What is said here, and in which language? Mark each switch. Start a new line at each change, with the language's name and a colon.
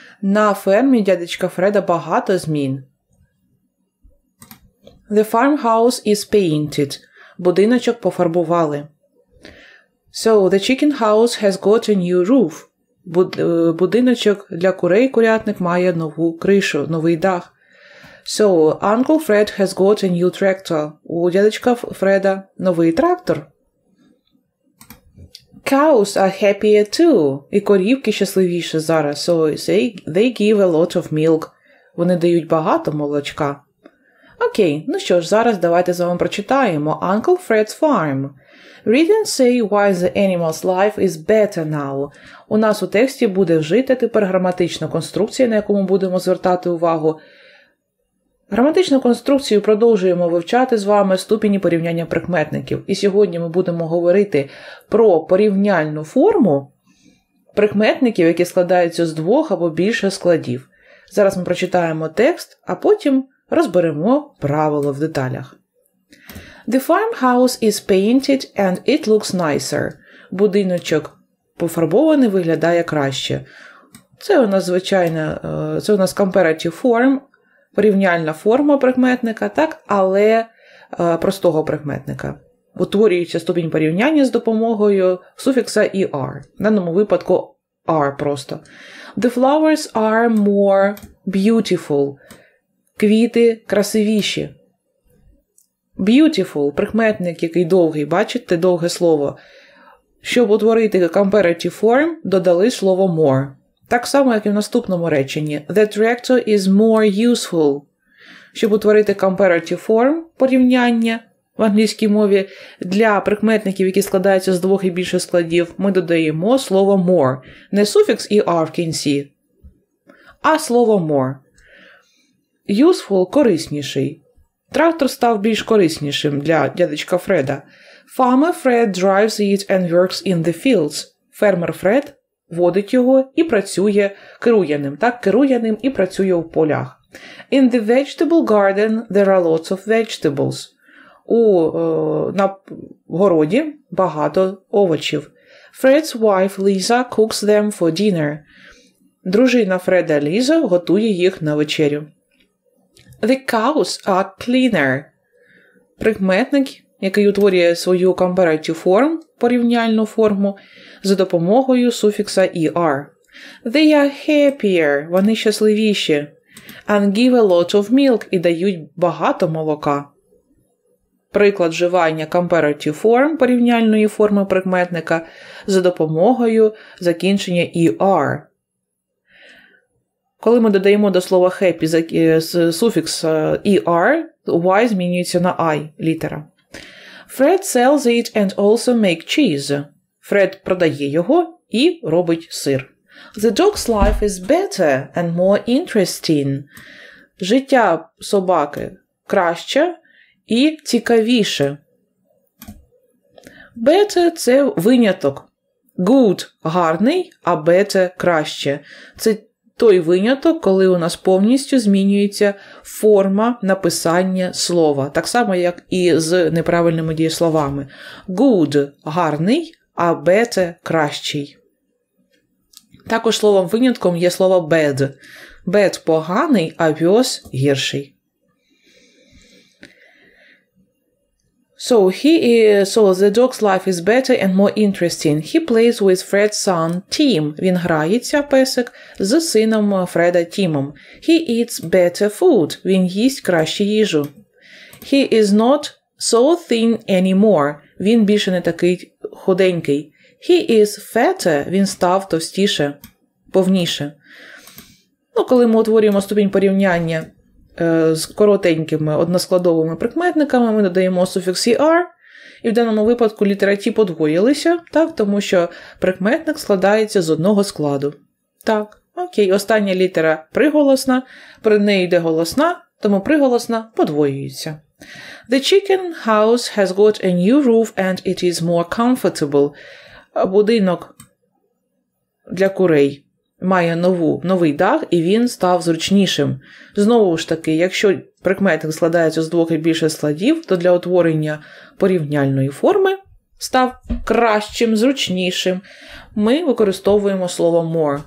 Ukrainian: На фермі дядечка Фреда багато змін.
English: The farmhouse is painted.
Ukrainian: Будиночок пофарбували.
English: So, the chicken house has got a new roof.
Ukrainian: Будиночок для курей курятник має нову кришу, новий дах.
English: So, Uncle Fred has got a new tractor.
Ukrainian: У дядечка Фреда новий трактор.
English: Cows are happier too.
Ukrainian: І корівки щасливіше зараз.
English: So, they give a lot of milk.
Ukrainian: Вони дають багато молочка. Окей, ну що ж, зараз давайте з вами прочитаємо.
English: Uncle Fred's Farm. Read and say why the animal's life is better now.
Ukrainian: У нас у тексті буде вжита тепер граматична конструкція, на яку ми будемо звертати увагу. Граматичну конструкцію продовжуємо вивчати з вами ступені порівняння прикметників. І сьогодні ми будемо говорити про порівняльну форму прикметників, які складаються з двох або більше складів. Зараз ми прочитаємо текст, а потім розберемо правила в деталях.
English: The farmhouse is painted and it looks nicer.
Ukrainian: Будиночок пофарбований, виглядає краще. Це у нас звичайна, це у нас comparative form, порівняльна форма прикметника, так, але простого прикметника. Утворюється ступінь порівняння з допомогою суфікса er. В даному випадку are просто.
English: The flowers are more beautiful.
Ukrainian: Квіти красивіші. Beautiful – прикметник, який довгий. Бачите, довге слово. Щоб утворити comparative form, додали слово more. Так само, як і в наступному реченні.
English: The tractor is more useful.
Ukrainian: Щоб утворити comparative form – порівняння в англійській мові, для прикметників, які складаються з двох і більше складів, ми додаємо слово more. Не суфікс er в кінці, а слово more. Useful – корисніший. Трактор став більш кориснішим для дядечка Фреда.
English: Farmer Fred drives it and works in the fields.
Ukrainian: Фермер Фред водить його і працює, керує ним, так, керує ним і працює в полях.
English: In the vegetable garden there are lots of vegetables.
Ukrainian: У на городі багато овочів.
English: Fred's wife Lisa cooks them for dinner.
Ukrainian: Дружина Фреда Ліза готує їх на вечерю.
English: The cows are cleaner.
Ukrainian: Прикметник, який утворює свою comparative form, порівняльну форму, за допомогою суфікса er.
English: They are happier.
Ukrainian: Вони щасливіші.
English: And give a lot of milk.
Ukrainian: І дають багато молока. Приклад вживання comparative form, порівняльної форми прикметника, за допомогою закінчення er. Коли ми додаємо до слова happy суфікс er, y змінюється на i літера.
English: Fred sells it and also make cheese.
Ukrainian: Фред продає його і робить сир.
English: The dog's life is better and more interesting.
Ukrainian: Життя собаки краще і цікавіше. Better – це виняток. Good – гарний, а better – краще. Це той виняток, коли у нас повністю змінюється форма написання слова. Так само, як і з неправильними дієсловами. Good – гарний, а better – кращий. Також словом винятком є слово bad. Bad – поганий, а worse – гірший.
English: So the dog's life is better and more interesting. He plays with Fred's son Tim.
Ukrainian: Він грається, песик, з сином Фреда Тімом.
English: He eats better food.
Ukrainian: Він їсть кращу їжу.
English: He is not so thin anymore.
Ukrainian: Він більше не такий худенький.
English: He is fatter.
Ukrainian: Він став товстіше, повніше. Ну, коли ми утворюємо ступінь порівняння з коротенькими односкладовими прикметниками, ми додаємо суфікс er, і в даному випадку літера t подвоїлися, так, тому що прикметник складається з одного складу. Так, окей, остання літера приголосна, при неї йде голосна, тому приголосна подвоюється.
English: The chicken house has got a new roof and it is more comfortable.
Ukrainian: Будинок для курей має новий дах, і він став зручнішим. Знову ж таки, якщо прикметник складається з двох і більше складів, то для утворення порівняльної форми став кращим, зручнішим, ми використовуємо слово more.